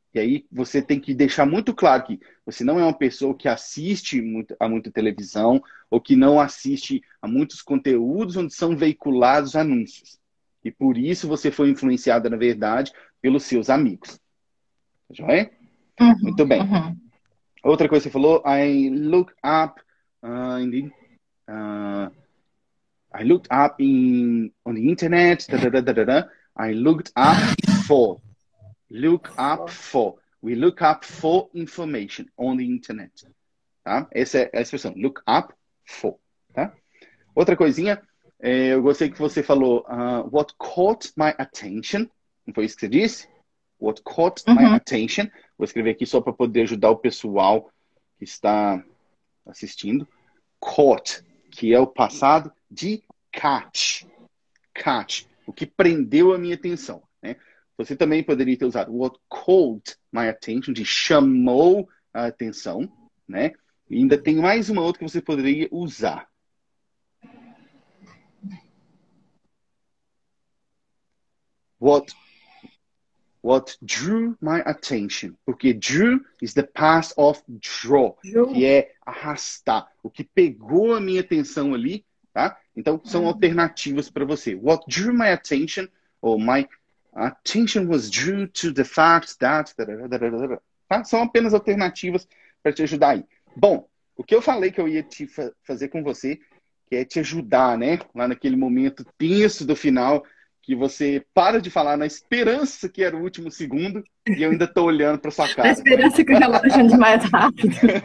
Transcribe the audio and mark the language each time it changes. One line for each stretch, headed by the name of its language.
Portuguese: E aí, você tem que deixar muito claro que você não é uma pessoa que assiste a muita televisão ou que não assiste a muitos conteúdos onde são veiculados anúncios. E por isso você foi influenciada, na verdade, pelos seus amigos. Tá joia? Uhum, muito bem. Uhum. Outra coisa que você falou,
English: I look up indeed. I looked up on the internet, I looked up for, we look up for information on the internet, tá?
Portuguese: Essa é a expressão,
English: look up for,
Portuguese: tá? Outra coisinha, eu gostei que você falou,
English: what caught my attention,
Portuguese: não foi isso que você disse?
English: What caught my attention,
Portuguese: vou escrever aqui só para poder ajudar o pessoal que está assistindo, caught, que é o passado de catch. Catch. O que prendeu a minha atenção. Né? Você também poderia ter usado
English: what called my attention,
Portuguese: de chamou a atenção. Né? E ainda tem mais uma outra que você poderia usar.
English: What drew my attention.
Portuguese: Porque
English: drew is the past of draw.
Portuguese: Que é arrastar. O que pegou a minha atenção ali, tá? Então, são alternativas para você.
English: What drew my attention, or my attention was drew to the fact that...
Portuguese: Tá? São apenas alternativas para te ajudar aí. Bom, o que eu falei que eu ia te fazer com você, que é te ajudar, né? Lá naquele momento tenso do final, que você para de falar na esperança que era o último segundo e eu ainda estou olhando para sua cara. Na esperança que o relógio ande mais rápido.